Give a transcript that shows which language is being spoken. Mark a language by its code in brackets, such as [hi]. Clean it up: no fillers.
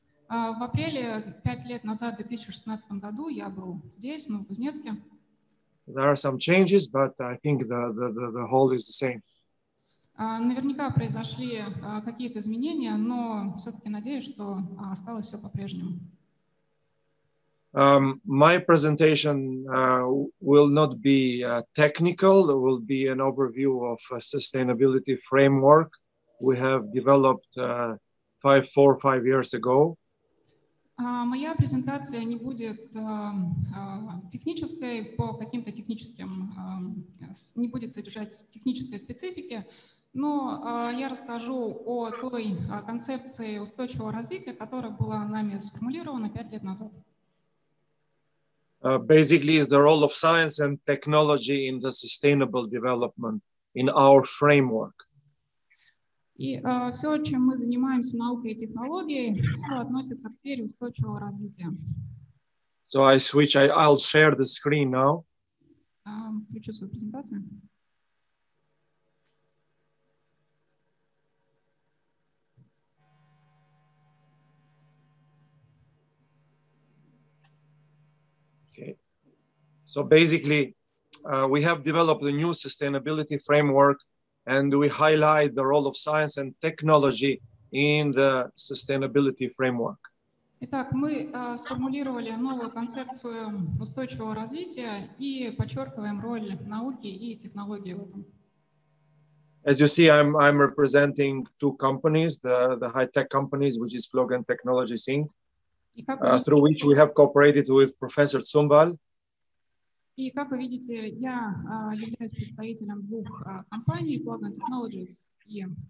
[ru] В апреле, пять лет назад, в 2016 году, я был здесь, в Новокузнецке. [en] There are some changes, but I think the hall is the same. [ru] Наверняка произошли какие-то изменения, но все-таки надеюсь, что осталось все по-прежнему. [en] My presentation will not be technical. It will be an overview of a sustainability framework we have developed four or five years ago. [ru] Моя презентация не будет технической по каким-то техническим, не будет содержать технической специфики. Но я расскажу о той концепции устойчивого развития, которая была нами сформулирована пять лет назад. [en] Basically, is the role of science and technology in the sustainable development in our framework. [ru] И все, чем мы занимаемся, наукой и технологией, все относится к сфере устойчивого развития. [en] So I switch. I'll share the screen now. [ru] Включу свою презентацию. [en] So basically, we have developed a new sustainability framework, and we highlight the role of science and technology in the sustainability framework. [ru] Итак, мы сформулировали новую концепцию устойчивого развития и подчеркиваем роль науки и технологии в этом. [en] As you see, I'm representing two companies, the high-tech companies, which is FOGEN Technologies Inc., through which we have cooperated with Professor Tsymbal. [ru] И как вы видите, я являюсь представителем двух компаний, FOGEN Technologies и